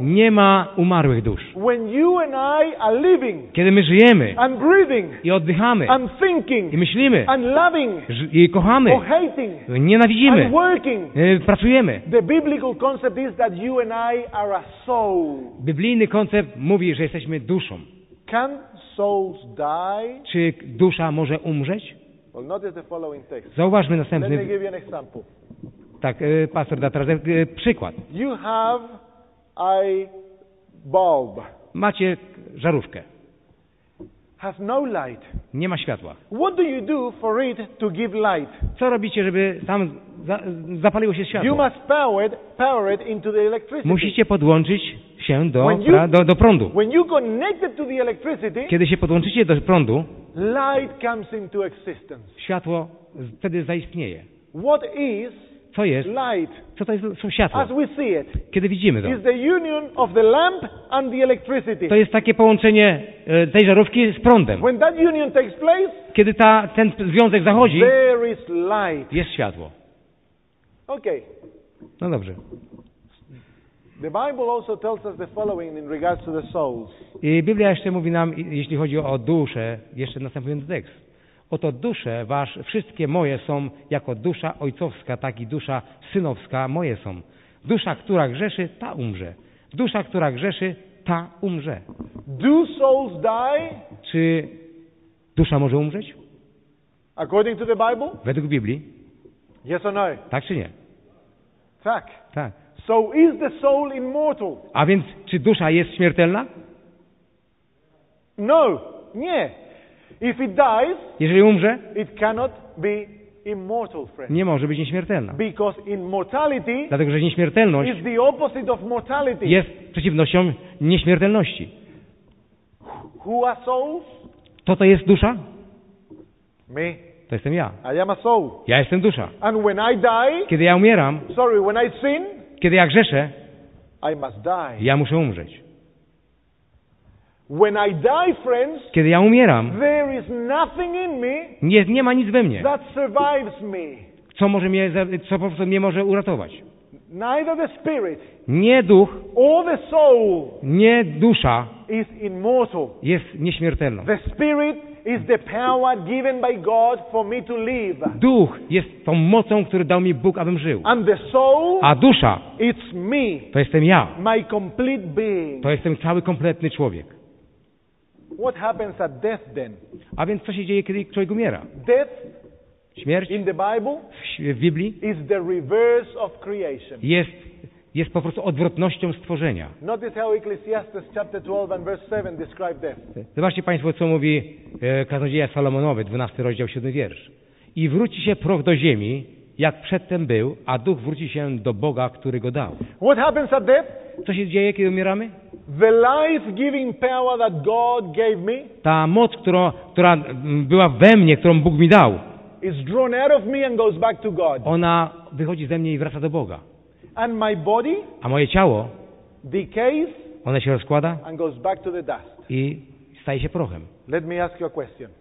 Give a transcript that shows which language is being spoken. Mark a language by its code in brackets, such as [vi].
[pl] nie ma umarłych dusz. [en] When you and I are living, [pl] kiedy my żyjemy, [en] and breathing, [pl] i oddychamy, [en] and thinking, [pl] i myślimy, [en] and loving, [pl] i kochamy, [en] or hating, [pl] nienawidzimy, [en] and working, [pl] pracujemy. [en] The biblical concept is that you and I are a soul. [pl] Biblijny koncept mówi, że jesteśmy duszą. [en] Can souls die? [pl] Czy dusza może umrzeć? [en] Well, notice the following text. [pl] Zauważmy następny. [en] Let me give you an example. [pl] Tak, pastor da teraz przykład. [en] You have a bulb. [pl] Macie żarówkę. [en] Has no light. [pl] Nie ma światła. [en] What do you do for it to give light? [pl] Co robicie, żeby tam zapaliło się światło? [en] You must power it into the electricity. [pl] Musicie podłączyć się do prądu. [en] When you connected to the electricity, [pl] kiedy się podłączycie do prądu, [en] light comes into existence. [pl] Światło wtedy zaistnieje. [en] What is, [pl] co jest [en] light, [pl] co to jest, są światła, [en] as we see it, [pl] kiedy widzimy to, [en] is the union of the lamp and the electricity. [pl] To jest takie połączenie tej żarówki z prądem. [en] When that union takes place, [pl] kiedy ten związek zachodzi, [en] there is light, [pl] jest światło. [en] Okay. [pl] No dobrze. [en] The Bible also tells us the following in regards to the souls. [pl] I Biblia jeszcze mówi nam, jeśli chodzi o duszę, jeszcze następujący tekst. Oto dusze wasze, wszystkie moje są, jako dusza ojcowska, tak i dusza synowska moje są. Dusza, która grzeszy, ta umrze. Dusza, która grzeszy, ta umrze. [en] Do souls die? [pl] Czy dusza może umrzeć? [en] According to the Bible? [pl] Według Biblii? [en] Yes or no? [pl] Tak czy nie? Tak. Tak. [en] So is the soul immortal? [pl] A więc czy dusza jest śmiertelna? [en] No, [pl] nie. [en] If it dies, [pl] jeżeli umrze, [en] it cannot be immortal, friend. [pl] Nie może być nieśmiertelna. [en] Because immortality, [pl] dlatego że nieśmiertelność, [en] is the opposite of mortality, [pl] jest przeciwnością nieśmiertelności. [en] Who are souls? [pl] Kto to jest dusza? [en] Me. [pl] To jestem ja. [en] I am a soul. [pl] Ja jestem dusza. [en] And when I die, [pl] kiedy ja umieram, [en] sorry, when I sin, [pl] kiedy ja grzeszę, [en] I must die. [pl] Ja muszę umrzeć. [en] When I die, friends, [pl] kiedy ja umieram, [en] there is nothing in me, [pl] nie ma nic we mnie, [en] that survives me. [pl] Co po prostu mnie może uratować. [en] Neither the spirit, [pl] nie duch, [en] or the soul, [pl] nie dusza, [en] is immortal. [pl] Jest nieśmiertelną. [en] The spirit is the power given by God for me to live. [pl] Duch jest tą mocą, którą dał mi Bóg, abym żył. [en] And the soul, [pl] a dusza, [en] it's me. [pl] To jestem ja. [en] My complete being. [pl] To jestem cały kompletny człowiek. [en] What happens at death then? [pl] A więc co się dzieje, kiedy człowiek umiera? [en] Death. [pl] Śmierć [en] in the Bible, [pl] w Biblii, [en] is the reverse of creation. [pl] Jest po prostu odwrotnością stworzenia. [en] Notice how Ecclesiastes chapter 12 and verse 7 describe death. [pl] Zobaczcie Państwo, co mówi kaznodzieja Salomonowy, 12 rozdział, 7 wiersz. I wróci się proch do ziemi, jak przedtem był, a duch wróci się do Boga, który go dał. [en] What happens at death? [pl] Co się dzieje, kiedy umieramy? [en] The life-giving power that God gave me, [pl] ta moc, która była we mnie, którą Bóg mi dał, [en] is drawn out of me and goes back to God. [pl] Ona wychodzi ze mnie i wraca do Boga. [en] And my body, [pl] a moje ciało, [en] decays, [pl] ono się rozkłada, [en] and goes back to the dust. [pl] I staje się prochem. [en] Let me ask you a question.